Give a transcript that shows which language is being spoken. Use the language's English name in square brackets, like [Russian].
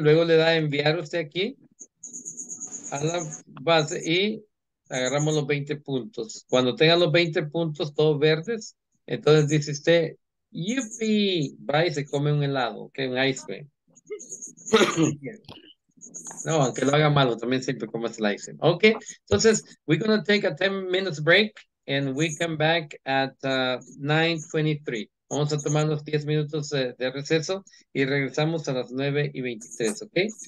[Spanish] Luego le da a enviar usted aquí a la base y agarramos los 20 puntos. Cuando tengan los 20 puntos todos verdes, entonces dice usted, yupi, va y se come un helado, que un ice cream. No, aunque lo haga malo, también siempre come el ice cream. Ok, entonces, [English] we're going to take a 10 minutes break and we come back at 9:23. [Spanish] Vamos a tomar los 10 minutos de receso y regresamos a las 9:23, ok?